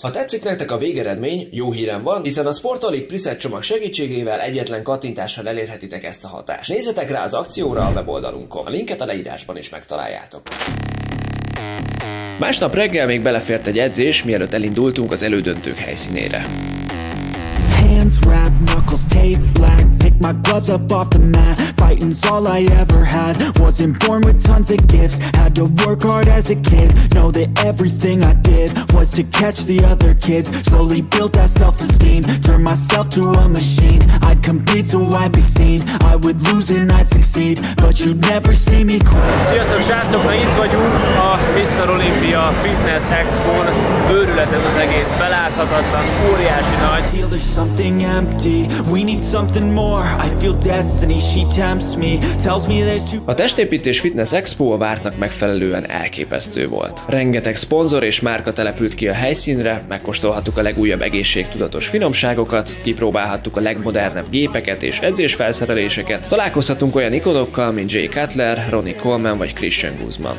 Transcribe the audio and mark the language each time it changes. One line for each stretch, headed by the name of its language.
Hungarian: Ha tetszik nektek a végeredmény, jó hírem van, hiszen a Sportolik preset csomag segítségével egyetlen kattintással elérhetitek ezt a hatást. Nézzetek rá az akcióra a weboldalunkon. A linket a leírásban is megtaláljátok. Másnap reggel még belefért egy edzés, mielőtt elindultunk az elődöntők helyszínére.
English: Hands red, knuckles tape black, pick my gloves up off the mat, fighting's all I ever had, wasn't born with tons of gifts, had to work hard as a kid, know that everything I did was to catch the other kids, slowly built that self-esteem, turned myself to a machine, I'd compete so I'd be seen, I would lose and I'd succeed, but you'd never see me quit.
Hungarian: Sziasztok srácok, na itt vagyunk a Mr. Olympia Fitness Expo-n, őrület ez az egész, beláthatatlan, óriási nagy.
English: Something empty, we need something more. I feel destiny, she tempts me, tells me there's too.
Hungarian: A testépítés fitness expo a vártnak megfelelően elképesztő volt. Rengeteg szponzor és márka települt ki a helyszínre, megkóstolhattuk a legújabb egészségtudatos finomságokat, kipróbálhattuk a legmodernebb gépeket és edzésfelszereléseket, találkozhatunk olyan ikonokkal, mint Jay Cutler, Ronnie Coleman vagy Christian Guzman.